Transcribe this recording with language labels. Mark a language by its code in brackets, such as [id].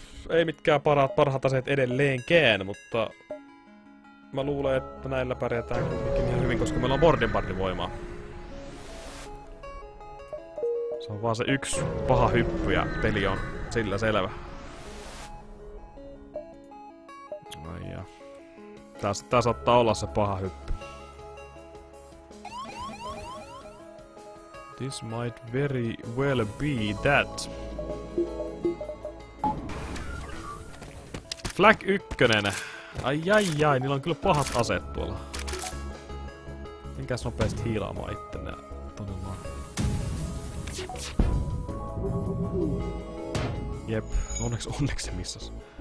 [fi] Ei mitkään parhaat aseet edelleenkään, mutta... mä luulen, että näillä pärjätään kuitenkin ihan hyvin, koska meillä on Mordenbardin voimaa. Se on vaan se yksi paha hyppy ja peli on sillä selvä. Tää saattaa olla se paha hyppy. [en] This might very well be that. [fi] Flag ykkönen. Ai, niillä on kyllä pahat aseet tuolla. Minkäs nopeasti hiilaamaan ittenä. Todellaan. Jep, onneksi se missas.